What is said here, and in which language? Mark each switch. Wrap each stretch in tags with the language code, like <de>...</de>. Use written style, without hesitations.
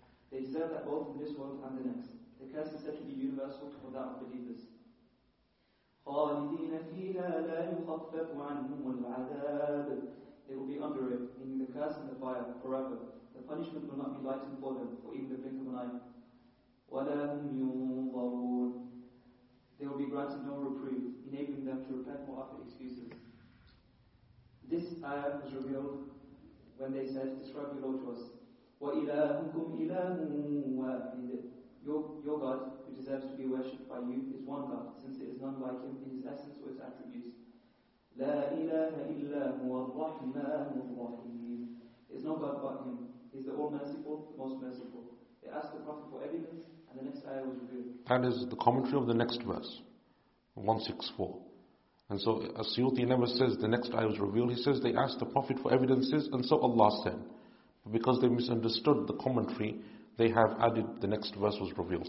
<en>They deserve that both in this world and the next. The curse is said to be universal for that of believers.</en> <ar>خالدين فيها لا يخفف عنهم العذاب.</ar> <en>They will be under it, meaning the curse and the fire, forever. The punishment will not be lightened for them, for even the blink of an eye.</en> <ar>ولا هم ينظرون.</ar> <en>They will be granted no reprieve, enabling them to repent or offer excuses. This ayah was revealed when they said, "Describe your Lord to us."</en> <ar>وإلهكم إله واحد.</ar> <en>Your God, who deserves to be worshipped by you, is one God, since it is none like Him in His essence or its attributes.</en> <ar>لا إله إلا هو الرحمن الرحيم.</ar> <en>It's no God but Him. He's the All Merciful, the Most Merciful. They asked the Prophet for evidence, and the next ayah was revealed. That is the commentary of the next verse, 164. And so As-Suyuti never says the next ayah was revealed. He says they asked the Prophet for evidences, and so Allah said. But because they misunderstood the commentary, they have added the next verse was revealed.</en>